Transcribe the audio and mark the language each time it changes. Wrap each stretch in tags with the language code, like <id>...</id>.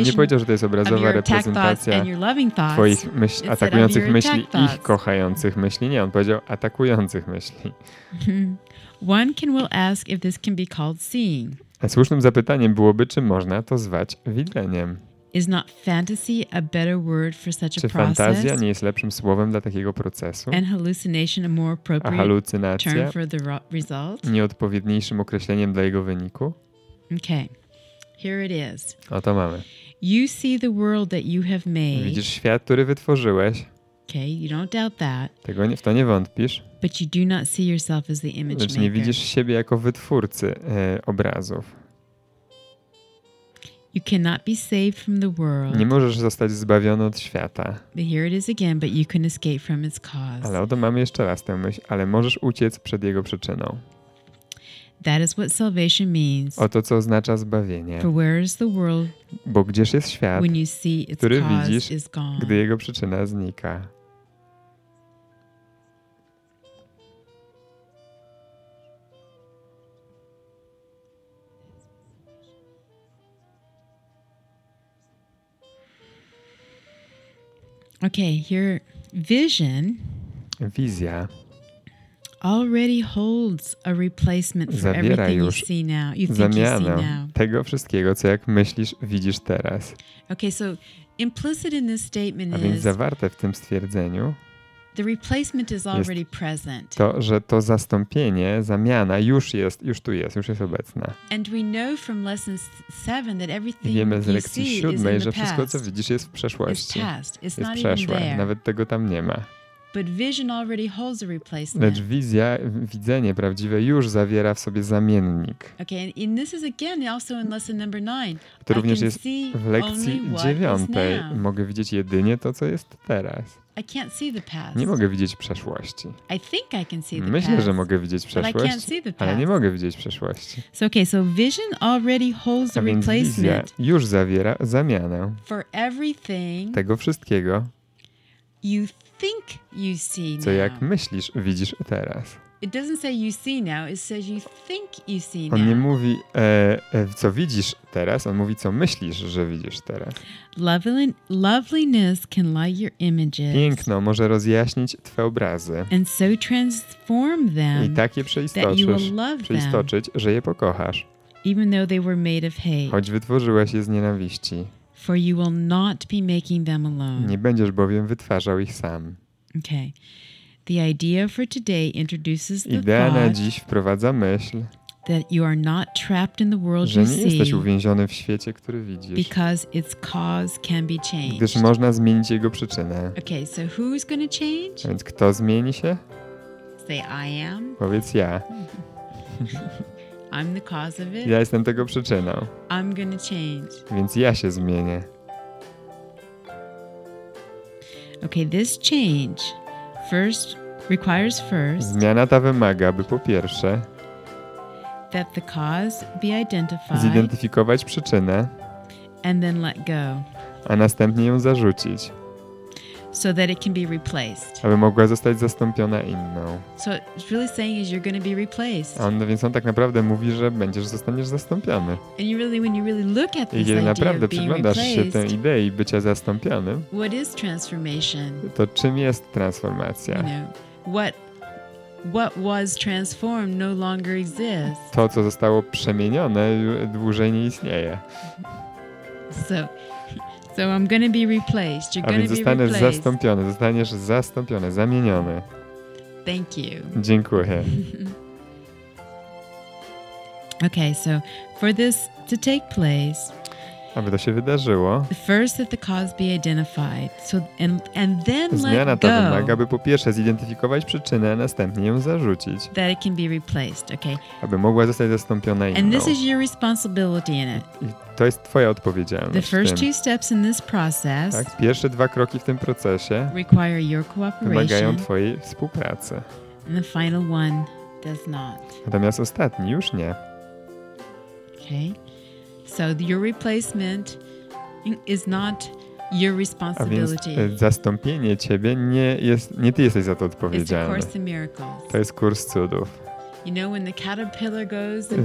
<pl>On nie powiedział, że to jest obrazowa reprezentacja twoich atakujących myśli, ich kochających myśli. Nie, on powiedział atakujących myśli.</pl> <en>One can well ask if this can be called seeing.</en> <pl>A słusznym zapytaniem byłoby, czy można to zwać widzeniem.</pl> <en>Is not fantasy a better word for such a process?</en> <pl>Czy fantazja nie jest lepszym słowem dla takiego procesu?</pl> <en>And hallucination a more appropriate term for the result?</en> <pl>Nieodpowiedniejszym określeniem dla jego wyniku?</pl> <en>Okay. Here it is.</en> <pl>Oto mamy.</pl> <en>You see the world that you have made.</en> <pl>Widzisz świat, który wytworzyłeś.</pl> <en>Okay, you don't doubt that.</en> <pl>Tego nie, w to nie wątpisz.</pl> <en>But you do not see yourself as the image maker.</en> <pl>Lecz nie widzisz siebie jako wytwórcy obrazów.</pl> <en>You cannot be saved from the world.</en> <pl>Nie możesz zostać zbawiony od świata.</pl> <en>But here it is again, but you can escape from its cause.</en> <pl>Ale oto mamy jeszcze raz tę myśl, ale możesz uciec przed jego przyczyną.</pl> <en>That is what salvation means.</en> <pl>Oto co oznacza zbawienie.</pl> <en>For where is the world,</en> <pl>bo gdzież jest świat,</pl> <en>when you see its</en> <pl>który</pl> <en>cause</en> <pl>widzisz,</pl> <en>is gone.</en> <pl>Gdy jego przyczyna znika.</pl> <en>Okay, your vision.</en> <pl>Wizja.</pl> <en>Already holds a replacement for</en> <pl>zawiera</pl> <en>everything you see now. You think</en> <pl>zamianę</pl> <en>you see now.</en> <pl>Tego wszystkiego, co jak myślisz, widzisz teraz.</pl> <en>Okay, so implicit in this statement</en> <pl>a więc</pl> <en>is</en> <pl>zawarte w tym stwierdzeniu.</pl> <en>The replacement is already present.</en> <pl>To, że to zastąpienie, zamiana już jest, już tu jest, już jest obecna.</pl> <en>And we know from lesson 7 that everything</en> <pl>wiemy z</pl> <en>you</en> <pl>lekcji siódmej, że wszystko co widzisz jest w przeszłości.</pl> <en>It's not</en> <pl>przeszłe,</pl> <en>even there.</en> <pl>Nawet tego tam nie ma.</pl> <en>But vision already holds a replacement.</en> <pl>Lecz wizja, widzenie prawdziwe już zawiera w sobie zamiennik.</pl> <en>Okay, and this is again also in lesson number 9.</en> <pl>To również jest w lekcji 9. Mogę widzieć jedynie to co jest teraz.</pl> <en>I can't see the past.</en> <pl>Nie mogę widzieć przeszłości.</pl> <en>I think I can see the past.</en> <pl>Myślę, że mogę widzieć przeszłość,</pl> <en>but I can't see the past.</en> <pl>Ale nie mogę widzieć przeszłości.</pl> <en>So okay, so vision already holds a replacement.</en> <pl>Wizja już zawiera zamianę.</pl> <en>For everything.</en> <pl>Tego wszystkiego.</pl> <en>You think you see now.</en> <pl>Co jak myślisz, widzisz teraz.</pl> <en>It doesn't say you see now, it says you think you see now.</en> <pl>On nie mówi co widzisz teraz, on mówi co myślisz, że widzisz teraz.</pl> <en>Loveliness can light your images.</en> <pl>Piękno może rozjaśnić twoje obrazy.</pl> <en>And so transform them.</en> <pl>I tak je przeistoczyć, że je pokochasz.</pl> <en>Even though they were made of hate.</en> <pl>Choć wytworzyłeś je z nienawiści.</pl> <en>For you will not be making them alone.</en> <pl>Nie będziesz bowiem wytwarzał ich sam.</pl> <en>Okay. The idea for today introduces the</en> <pl>idea na dziś wprowadza myśl,</pl> <en>that you are not trapped in the world you see.</en> <pl>Że nie jesteś uwięziony w świecie, który widzisz.</pl> <en>Because its cause can be changed.</en> <pl>Gdyż można zmienić jego przyczynę.</pl> <en>Okay, so who's gonna change?</en> <pl>A więc kto zmieni się?</pl> <en>Say I am.</en> <pl>Powiedz ja.</pl> <en>I'm the cause of it.</en> <pl>Ja jestem tego przyczyną.</pl> <en>I'm gonna change.</en> <pl>Więc ja się zmienię.</pl> <en>Okay, this change first requires first.</en> <pl>Zmiana ta wymaga, by po pierwsze</pl> <en>that the cause be identified.</en> <pl>Zidentyfikować przyczynę.</pl> <en>And then let go.</en> <pl>A następnie ją zarzucić.</pl> <en>So that it can be replaced.</en> <pl>Aby mogła zostać zastąpiona inną.</pl> <en>So it's really saying is you're going to be replaced.</en> <pl>A on, więc on tak naprawdę mówi, że będziesz, zostaniesz zastąpiony.</pl> <en>And you really, when you really look at this idea of being replaced.</en> <pl>I naprawdę przyglądasz się tej idei bycia zastąpionym.</pl> <en>What is transformation?</en> <pl>To czym jest transformacja?</pl> <en>You know, what was transformed no longer exists.</en> <pl>To, co zostało przemienione, dłużej nie istnieje.</pl> <en>So I'm gonna be replaced. You're gonna be replaced.</en> <pl>A więc zostaniesz zastąpiony, zamieniony.</pl> <en>Thank you.</en> <pl>Dziękuję.</pl> <en>Okay, so for this to take place.</en> <pl>Aby to się wydarzyło.</pl> <en>First that the cause be identified. So and then let go.</en> <pl>Zmiana ta wymaga, aby po pierwsze zidentyfikować przyczynę, a następnie ją zarzucić.</pl> <en>That it can be replaced, okay.</en> <pl>Aby mogła zostać zastąpiona inną.</pl> <en>And this is your responsibility in it.</en> <pl>I to jest twoja odpowiedzialność.</pl> <en>The first two steps in this process.</en> <pl>Tak, pierwsze dwa kroki w tym procesie.</pl> <en>Require your cooperation.</en> <pl>Wymagają twojej współpracy.</pl> <en>And the final one does not.</en> <pl>Natomiast ostatni już nie.</pl> <en>Okay. So your replacement is not your responsibility.</en> <pl>A więc zastąpienie ciebie nie ty jesteś za to odpowiedzialny.</pl> <en>It's a course in miracles.</en> <pl>To jest kurs cudów.</pl> <en>You know when the caterpillar goes into</en>